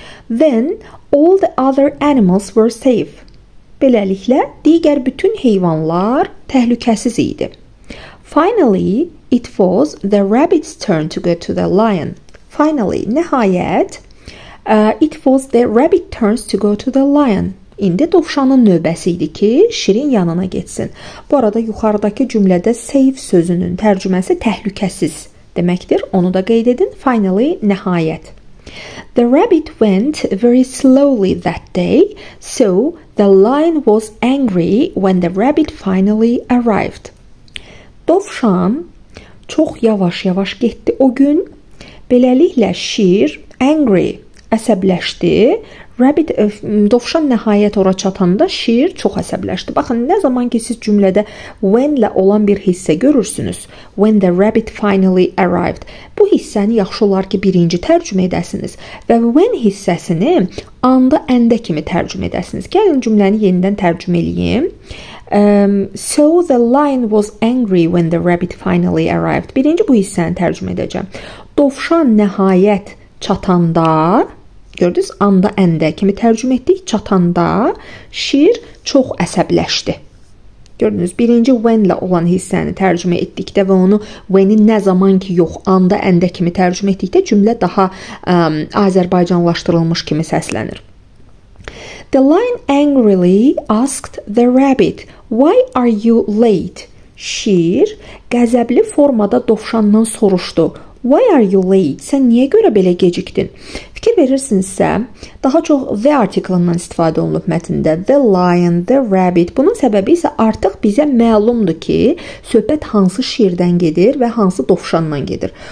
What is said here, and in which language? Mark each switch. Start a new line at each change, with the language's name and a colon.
English: Then all the other animals were safe.
Azerbaijani: Beləliklə, digər bütün heyvanlar təhlükəsiz idi.
English: Finally, it was the rabbit's turn to go to the lion. Finally, nəhayət, it was the rabbit turns to go to the lion.
Azerbaijani: İndi dovşanın növbəsi idi ki, şirin yanına getsin. Bu arada yuxarıdakı cümlədə safe sözünün tərcüməsi təhlükəsiz deməkdir. Onu da qeyd edin. Finally, nəhayət.
English: The rabbit went very slowly that day, so the lion was angry when the rabbit finally arrived.
Azerbaijani: Dovşan çox yavaş-yavaş getdi o gün. Beləliklə, şir angry əsəbləşdi. Rabbit, dovşan nəhayət ora çatanda şir çox əsəbləşdi. Baxın, nə zaman ki siz cümlədə when-lə olan bir hissə görürsünüz,
English: when the rabbit finally arrived,
Azerbaijani: bu hissəni yaxşı olar ki, birinci tərcümə edəsiniz və when hissəsini anda əndə kimi tərcümə edəsiniz. Gəlin cümləni yenidən tərcümə edeyim.
English: So the lion was angry when the rabbit finally arrived.
Azerbaijani: Birinci bu hissəni tərcümə edəcəm. Dovşan nəhayət çatanda, gördünüz, anda əndə kimi tərcümə etdik, çatanda şir çox əsəbləşdi. Gördünüz, birinci when-lə olan hissəni tərcümə etdikdə və onu when-i nə zaman ki yox, anda əndə kimi tərcümə etdikdə cümlə daha azərbaycanlaşdırılmış kimi səslənir.
English: The lion angrily asked the rabbit, "Why are you late?"
Azerbaijani: Şir qəzəbli formada dovşandan soruşdu.
English: Why are you late?
Azerbaijani: Sən niyə görə belə gecikdin? Fikir verirsinizsə, daha çox the artiklindən istifadə olunub mətndə.
English: The lion, the rabbit.
Azerbaijani: Bunun səbəbi isə artıq bizə məlumdur ki, söhbət hansı şirdən gedir və hansı dovşandan gedir.